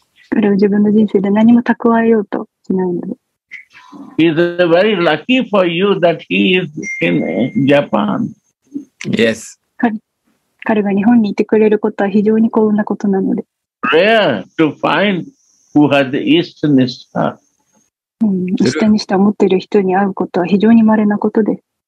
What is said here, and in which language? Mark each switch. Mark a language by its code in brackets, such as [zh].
[ja] 彼は自分の人生で何も蓄えようとしないので。 [en] He's very lucky for you that he is in Japan. Yes. [ja] 彼が日本にいてくれることは非常に幸運なことなので。 [en] Rare to find who has the Eastern Nishtha. [ja] Eastern Nishtha を持っている人に会うことは非常に稀なことです。